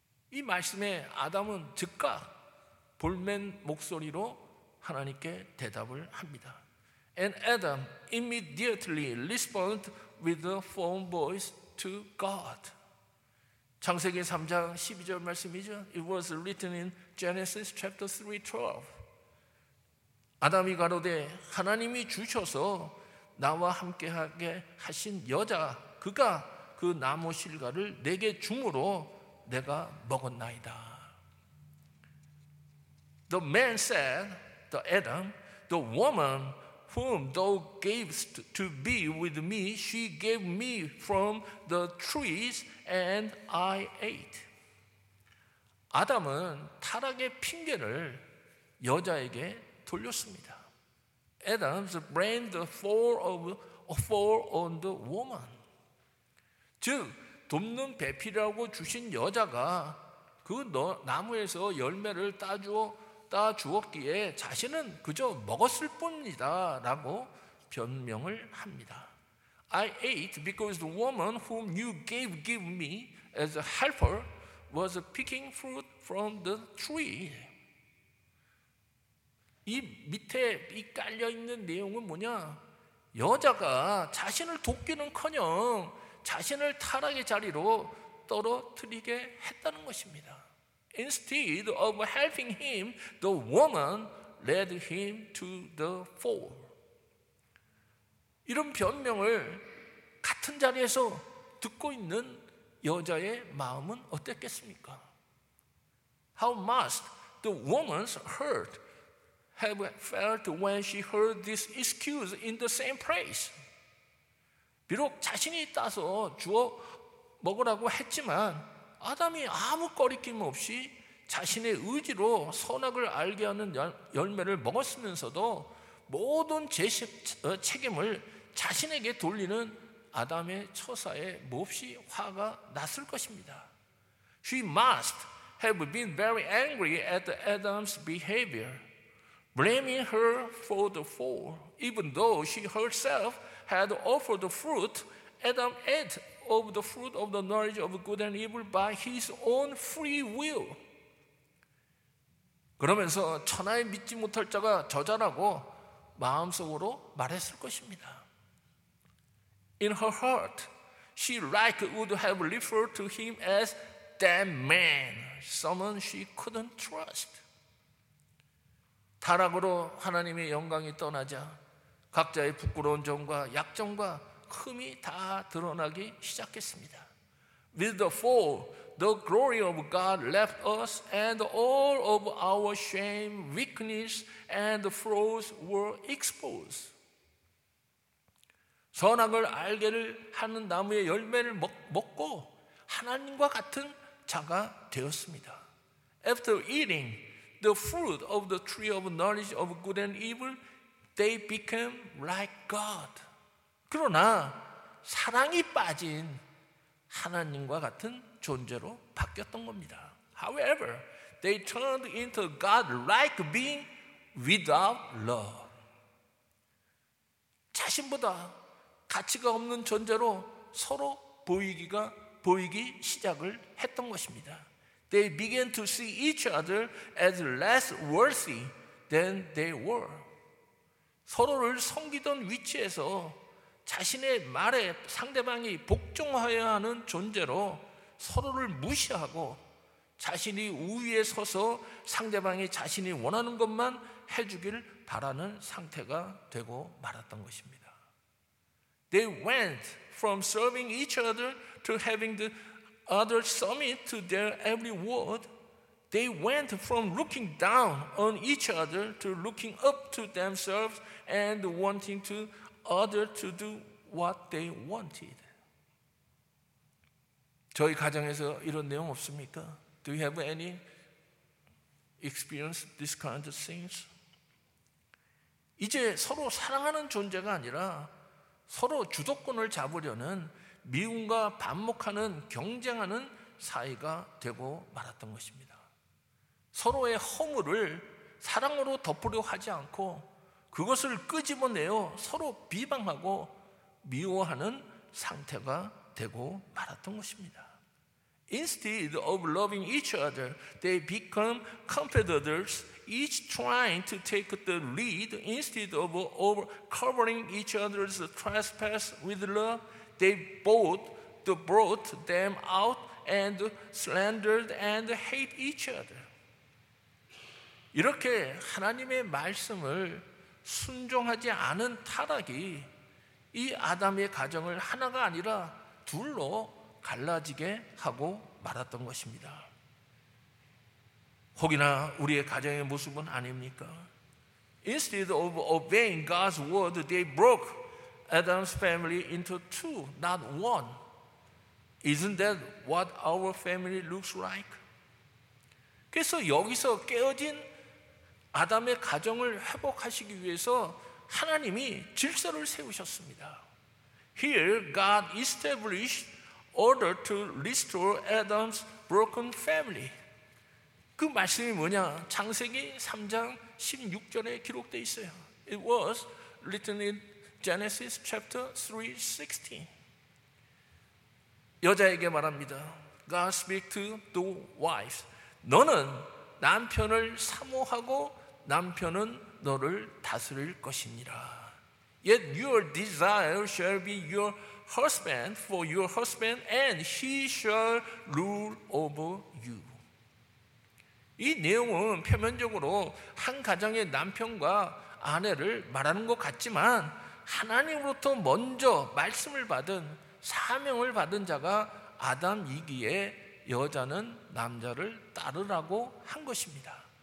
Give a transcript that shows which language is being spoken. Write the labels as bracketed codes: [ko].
[ko] 이 말씀에 아담은 즉각 볼멘 목소리로 하나님께 대답을 합니다. [en] And Adam immediately responded with a firm voice to God. [ko] 창세기 3장 12절 말씀이죠. [en] It was written in Genesis chapter 3, 12. [ko] 아담이 가로되 하나님이 주셔서 나와 함께하게 하신 여자 그가 그 나무 실과를 내게 주므로 내가 먹었나이다. [en] The man said, the Adam, The woman whom thou gavest to be with me, she gave me from the trees and I ate. [ko] 아담은 타락의 핑계를 여자에게 돌렸습니다. [en] Adam blamed the fall on the woman. [ko] 즉, 돕는 배필이라고 주신 여자가 그 나무에서 열매를 따주었기에 자신은 그저 먹었을 뿐이다 라고 변명을 합니다. [en] I ate because the woman whom you gave me as a helper was picking fruit from the tree. [ko] 이 밑에 이 깔려있는 내용은 뭐냐? 여자가 자신을 돕기는커녕 자신을 타락의 자리로 떨어뜨리게 했다는 것입니다. [en] Instead of helping him, the woman led him to the fall. [ko] 이런 변명을 같은 자리에서 듣고 있는 여자의 마음은 어땠겠습니까? [en] How must the woman's heart have felt when she heard this excuse in the same place? [ko] 비록 자신이 따서 주워 먹으라고 했지만 아담이 아무 거리낌 없이 자신의 의지로 선악을 알게 하는 열매를 먹었으면서도 모든 책임을 자신에게 돌리는 아담의 처사에 몹시 화가 났을 것입니다. [en] She must have been very angry at Adam's behavior, blaming her for the fall, even though she herself had offered the fruit. Adam ate of the fruit of the knowledge of good and evil by his own free will. [ko] 그러면서 천하에 믿지 못할 자가 저자라고 마음속으로 말했을 것입니다. [en] In her heart, she like would have referred to him as that man, someone she couldn't trust. [ko] 타락으로 하나님의 영광이 떠나자 각자의 부끄러운 점과 약점과 흠이 다 드러나기 시작했습니다. [en] With the fall, the glory of God left us and all of our shame, weakness, and flaws were exposed. [ko] 선악을 알게를 하는 나무의 열매를 먹고 하나님과 같은 자가 되었습니다. [en] After eating the fruit of the tree of knowledge of good and evil, they became like God. [ko] 그러나 사랑이 빠진 하나님과 같은 존재로 바뀌었던 겁니다. [en] However, they turned into God-like being without love. [ko] 자신보다 가치가 없는 존재로 서로 보이기 시작을 했던 것입니다. [en] They began to see each other as less worthy than they were. [ko] 서로를 섬기던 위치에서 자신의 말에 상대방이 복종하여야 하는 존재로 서로를 무시하고 자신이 우위에 서서 상대방이 자신이 원하는 것만 해주길 바라는 상태가 되고 말았던 것입니다. [en] They went from serving each other to having the other submit to their every word. They went from looking down on each other to looking up to themselves and wanting to other to do what they wanted. [ko] 저희 가정에서 이런 내용 없습니까? [en] Do you have any experience this kind of things? [ko] 이제 서로 사랑하는 존재가 아니라 서로 주도권을 잡으려는 미움과 반목하는 경쟁하는 사이가 되고 말았던 것입니다. 서로의 허물을 사랑으로 덮으려 하지 않고 그것을 끄집어내어 서로 비방하고 미워하는 상태가 되고 말았던 것입니다. [en] Instead of loving each other, they become competitors, each trying to take the lead. Instead of covering each other's trespass with love, they both brought them out and slandered and hate each other. [ko] 이렇게 하나님의 말씀을 순종하지 않은 타락이 이 아담의 가정을 하나가 아니라 둘로 갈라지게 하고 말았던 것입니다. 혹이나 우리의 가정의 모습은 아닙니까? [en] Instead of obeying God's word, they broke Adam's family into two, not one. Isn't that what our family looks like? [ko] 그래서 여기서 깨어진 아담의 가정을 회복하시기 위해서 하나님이 질서를 세우셨습니다. [en] Here God established order to restore Adam's broken family. [ko] 그 말씀이 뭐냐? 창세기 3장 16절에 기록되어 있어요. [en] It was written in Genesis chapter 3:16. [ko] 여자에게 말합니다. [en] God speak to the wife. [ko] 너는 남편을 사모하고 남편은 너를 다스릴 것이니라. [en] Yet your desire shall be your husband for your husband and he shall rule over you. [ko] 이 내용은 표면적으로 한 가정의 남편과 아내를 말하는 것 같지만 하나님으로부터 먼저 말씀을 받은 사명을 받은 자가 아담이기에 여자는 남자를 따르라고 한 것입니다.